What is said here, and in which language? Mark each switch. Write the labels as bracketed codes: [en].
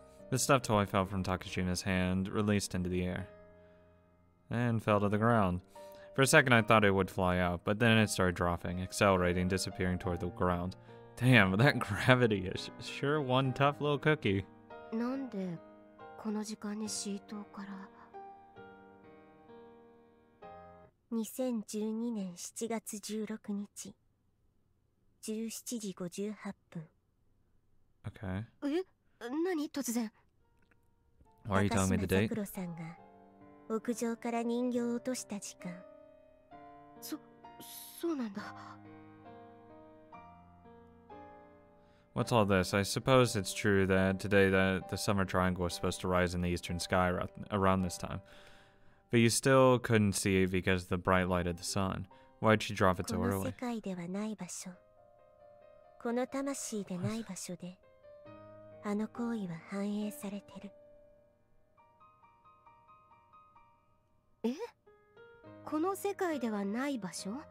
[en] The stuffed toy fell from Takashima's hand, released into the air, and fell to the ground. For a second, I thought it would fly out, but then it started dropping, accelerating, disappearing toward the ground. Damn, that gravity is sure one tough little cookie. [ja] なんでこの時間にシートから。 2012年7月16日、17時58分。 [en] Okay. [ja] え？何突然。 [en] Why are you telling me the date? [ja] 高島さんが屋上から人形を落とした時間。そうなんだ。 [en] What's all this? I suppose it's true that today that the summer triangle was supposed to rise in the eastern sky around this time. But you still couldn't see it because of the bright light of the sun. Why'd she drop it so early? [ja] この世界ではない場所。この魂でない場所で。あの行為は反映されてる。え？この世界ではない場所？